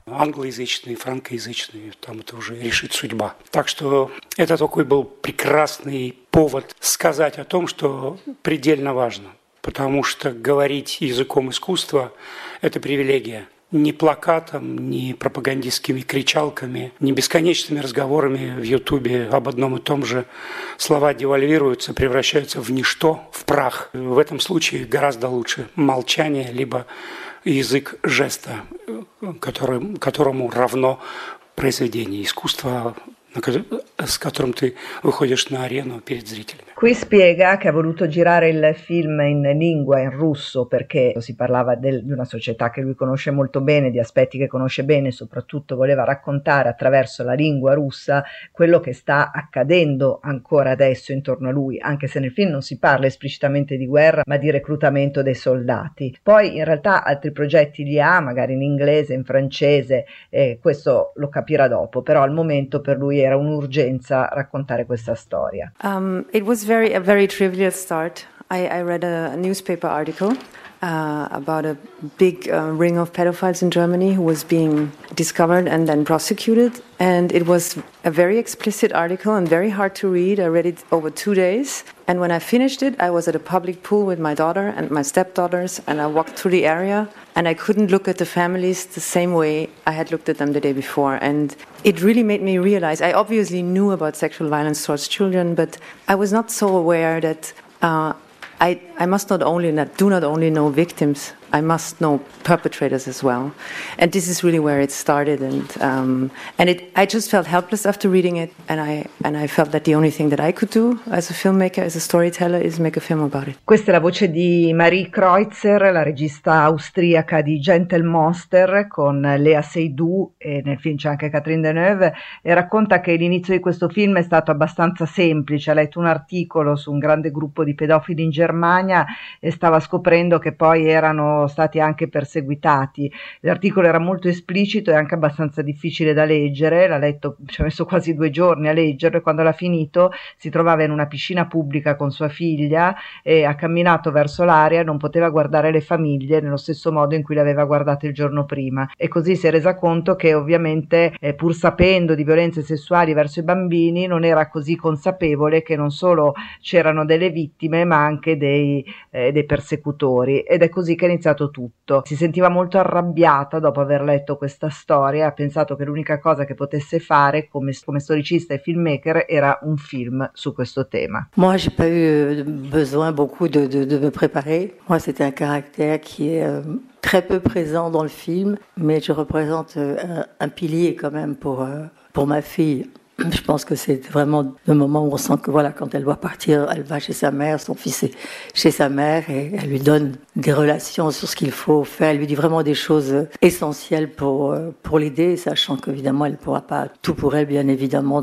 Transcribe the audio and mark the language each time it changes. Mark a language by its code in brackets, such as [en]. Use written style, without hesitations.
[ru] Англоязычный, франкоязычный, там это уже решит судьба. Так что это такой был прекрасный повод сказать о том, что предельно важно. Потому что говорить языком искусства – это привилегия. Ни плакатом, ни пропагандистскими кричалками, ни бесконечными разговорами в Ютубе об одном и том же слова девальвируются, превращаются в ничто, в прах. В этом случае гораздо лучше молчание, либо язык жеста, которому равно произведение искусства, с которым ты выходишь на арену перед зрителями. [it] Qui spiega che ha voluto girare il film in lingua, in russo, perché si parlava di una società che lui conosce molto bene, di aspetti che conosce bene, soprattutto voleva raccontare attraverso la lingua russa quello che sta accadendo ancora adesso intorno a lui, anche se nel film non si parla esplicitamente di guerra, ma di reclutamento dei soldati. Poi in realtà altri progetti li ha, magari in inglese, in francese, questo lo capirà dopo, però al momento per lui era un'urgenza raccontare questa storia. [en] It was a very trivial start. I read a newspaper article about a big ring of pedophiles in Germany who was being discovered and then prosecuted. And it was a very explicit article and very hard to read. I read it over 2 days. And when I finished it, I was at a public pool with my daughter and my stepdaughters, and I walked through the area and I couldn't look at the families the same way I had looked at them the day before. And it really made me realize, I obviously knew about sexual violence towards children, but I was not so aware that I do not only know victims, I must know perpetrators as well. And this is really where it started, and I just felt helpless after reading it, and I felt that the only thing that I could do as a filmmaker, as a storyteller, is make a film about it. [it] Questa è la voce di Marie Kreutzer, la regista austriaca di Gentle Monster, con Lea Seydoux, e nel film c'è anche Catherine Deneuve, e racconta che l'inizio di questo film è stato abbastanza semplice. Ha letto un articolo su un grande gruppo di pedofili in Germania e stava scoprendo che poi erano stati anche perseguitati. L'articolo era molto esplicito e anche abbastanza difficile da leggere, l'ha letto, ci ha messo quasi 2 giorni a leggerlo, e quando l'ha finito si trovava in una piscina pubblica con sua figlia e ha camminato verso l'area e non poteva guardare le famiglie nello stesso modo in cui le aveva guardate il giorno prima, e così si è resa conto che ovviamente pur sapendo di violenze sessuali verso i bambini non era così consapevole che non solo c'erano delle vittime ma anche dei persecutori, ed è così che è iniziato tutto. Si sentiva molto arrabbiata dopo aver letto questa storia, ha pensato che l'unica cosa che potesse fare come storicista e filmmaker era un film su questo tema. [fr] Moi j'ai pas eu besoin beaucoup de me préparer. Moi c'était un caractère qui est très peu présent dans le film, mais je représente un pilier quand même pour ma fille. Je pense que c'est vraiment le moment où on sent que voilà, quand elle doit partir, elle va chez sa mère, son fils est chez sa mère, et elle lui donne des relations sur ce qu'il faut faire, elle lui dit vraiment des choses essentielles pour l'aider, sachant qu'évidemment elle ne pourra pas tout pour elle, bien évidemment.